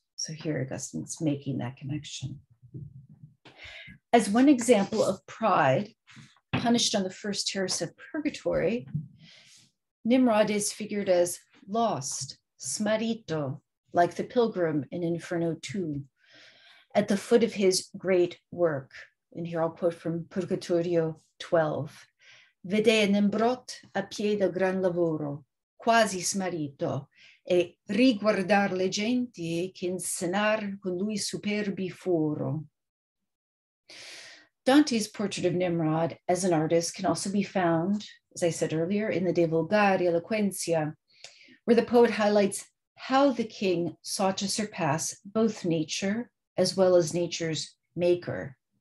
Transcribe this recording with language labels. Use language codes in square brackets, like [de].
[en] So here Augustine's making that connection. As one example of pride, punished on the first terrace of purgatory, Nimrod is figured as lost, smarrito, like the pilgrim in Inferno 2, at the foot of his great work. And here I'll quote from Purgatorio 12. [it] Vede Nimrod a piede gran lavoro, quasi smarrito, e riguardar le genti che insenar con lui superbi foro. [en] Dante's portrait of Nimrod as an artist can also be found, as I said earlier, in the De Vulgari Eloquentia, where the poet highlights how the king sought to surpass both nature as well as nature's maker.